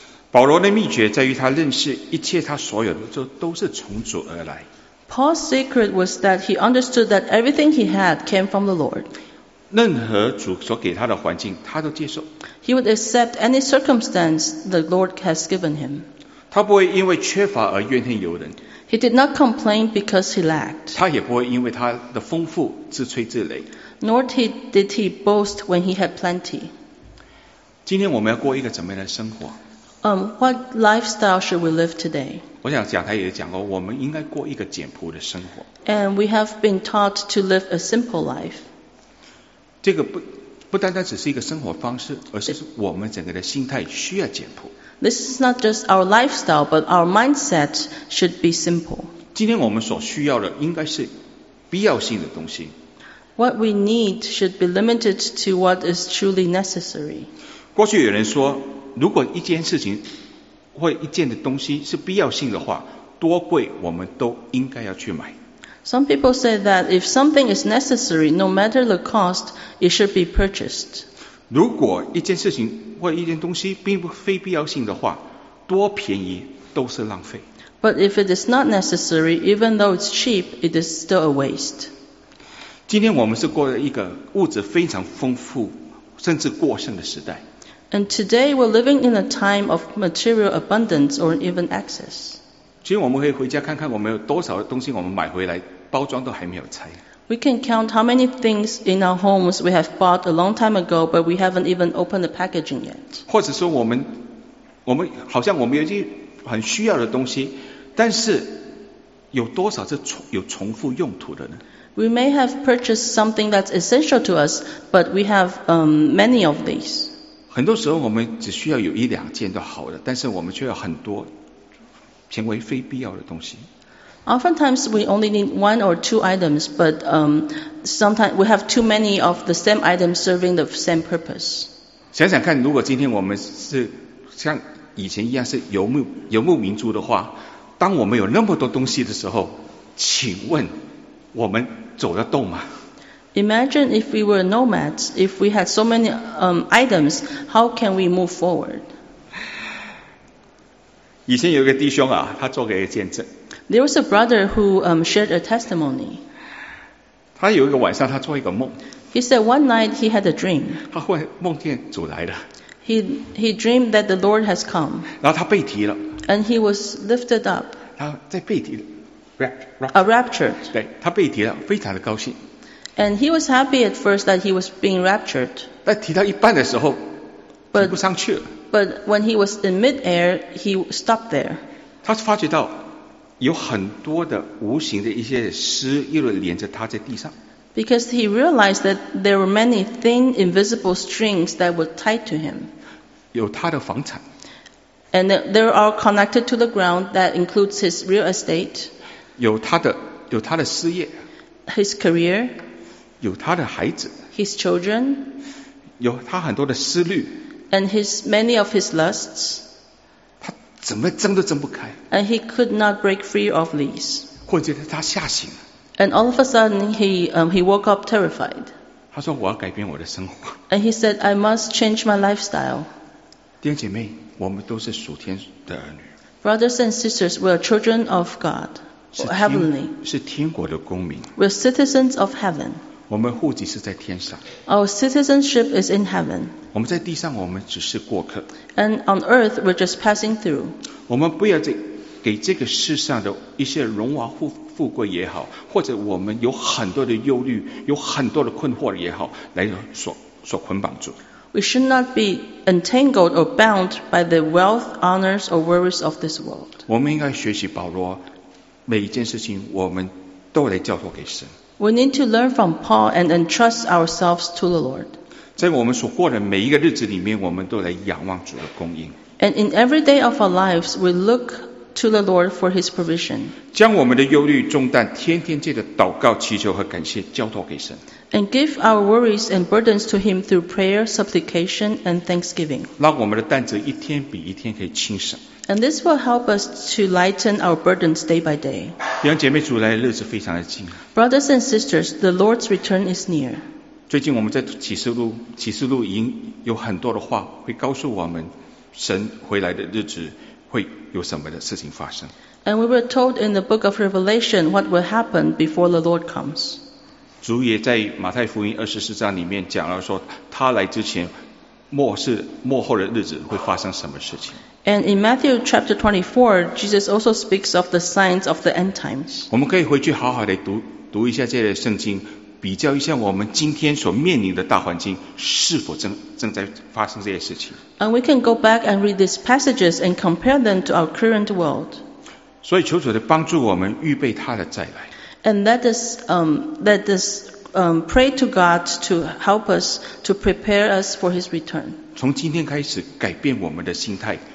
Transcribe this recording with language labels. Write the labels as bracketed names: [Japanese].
[Chinese] 保罗的秘诀在于他认识一切他所有的都是从主而来。 [English] Paul's secret was that he understood that everything he had came from the Lord. [Chinese] 任何主所给他的环境，他都接受。 [English] He would accept any circumstance the Lord has given him. [Chinese] 他不会因为缺乏而怨天尤人。 [English] He did not complain because he lacked. [Chinese] 他也不会因为他的丰富自吹自擂。 [English] Nor did he boast when he had plenty. [Chinese] 今天我们要过一个怎么样的生活？ [English] What lifestyle should we live today? [Chinese] 我想讲台也讲过，我们应该过一个简朴的生活。 [English] And we have been taught to live a simple life. [Chinese] 这个不单单只是一个生活方式，而是我们整个的心态需要简朴。 [English] This is not just our lifestyle, but our mindset should be simple. [Chinese] 今天我们所需要的应该是必要性的东西。 [English] What we need should be limited to what is truly necessary. [Chinese] 过去有人说，如果一件事情或一件的东西是必要性的话，多贵我们都应该要去买。 [English] Some people say that if something is necessary, no matter the cost, it should be purchased. [Chinese] 如果一件事情或一件东西并不非必要性的话，多便宜都是浪费。 [English] But if it is not necessary, even though it's cheap, it is still a waste. [Chinese] 今天我们是过了一个物质非常丰富，甚至过剩的时代。 [English] And today we're living in a time of material abundance or even excess. [Chinese] 其实我们可以回家看看我们有多少东西我们买回来，包装都还没有拆。 [English] We can count how many things in our homes we have bought a long time ago, but we haven't even opened the packaging yet. [Chinese] 或者说我们好像我们有一些很需要的东西，但是有多少是有重复用途的呢？ [English] We may have purchased something that's essential to us, but we have many of these. [Chinese] 很多时候我们只需要有一两件就好了，但是我们却有很多成为非必要的东西。 [English] Oftentimes we only need one or two items, but sometimes we have too many of the same items serving the same purpose. [Chinese] 想想看，如果今天我们是像以前一样是游牧民族的话，当我们有那么多东西的时候，请问我们走得动吗？ [English] Imagine if we were nomads, if we had so many items, how can we move forward? [Chinese] 以前有一个弟兄啊，他做个见证。 [English] There was a brother who shared a testimony. [Chinese] 他有一个晚上他做一个梦。 [English] He said one night he had a dream. [Chinese] 他会梦见主来了。 [English] He dreamed that the Lord has come. [Chinese] 然后他被提了。 [English] And he was lifted up. [Chinese] 他在被提了。 [English] Raptured. [Chinese] 对，他被提了，非常的高兴。 [English] And he was happy at first that he was being raptured. [Chinese] 但提到一半的时候，提不上去了。 [English] But when he was in mid-air, he stopped there. [Chinese] 他发觉到有很多的无形的一些丝一路连着他在地上。 [English] Because he realized that there were many thin, invisible strings that were tied to him. [Chinese] 有他的房产。 [English] And they are connected to the ground that includes his real estate. [Chinese] 有他的事业。 [English] His career. [Chinese] 有他的孩子 [English] ，his children， [Chinese] 有他很多的思虑 [English] ，and his many of his lusts， [Chinese] 他怎么挣都挣不开 [English] ，and he could not break free of these。 [Chinese] 或者他吓醒了 [English] ，and all of a sudden he woke up terrified。 [Chinese] 他说我要改变我的生活 [English] ，and he said I must change my lifestyle。 [Chinese] 弟兄姐妹，我们都是属天的儿女 [English] ，brothers and sisters we are children of God， heavenly， [Chinese] 是天国的公民 [English] ，we are citizens of heaven。 [Chinese] 我们户籍是在天上。 [English] Our citizenship is in heaven. [Chinese] 我们在地上，我们只是过客。 [English] And on earth, we're just passing through. [Chinese] 我们不要给这个世上的一些荣华富贵也好，或者我们有很多的忧虑、有很多的困惑也好，来所捆绑住。 [English] We should not be entangled or bound by the wealth, honors, or worries of this world. [Chinese] 我们应该学习保罗，每一件事情我们都得交托给神。 [English] We need to learn from Paul and entrust ourselves to the Lord. [Chinese] 在我们所过的每一个日子里面，我们都来仰望主的供应。 [English] And in every day of our lives, we look to the Lord for His provision. [Chinese] 将我们的忧虑重担，天天借着祷告、祈求和感谢交托给神。 [English] And give our worries and burdens to Him through prayer, supplication, and thanksgiving. [Chinese] 让我们的担子一天比一天可以轻省。 [English] And this will help us to lighten our burdens day by day. [Chinese] 弟兄姐妹，主来的日子非常的近。 [English] Brothers and sisters, the Lord's return is near. [Chinese] 最近我们在启示录已经有很多的话会告诉我们，神回来的日子会有什么的事情发生。 [English] And we were told in the book of Revelation what will happen before the Lord comes. [Chinese] 主也在马太福音二十四章里面讲了说，他来之前，末后的日子会发生什么事情。 [English] And in Matthew chapter 24, Jesus also speaks of the signs of the end times. [Chinese] 我们可以回去好好地读一下这些圣经，比较一下我们今天所面临的大环境是否正在发生这些事情。 [English] And we can go back and read these passages and compare them to our current world. [Chinese] 所以求主的帮助我们预备他的再来。 [English] And let us pray to God to help us to prepare us for His return. [Chinese] 从今天开始改变我们的心态。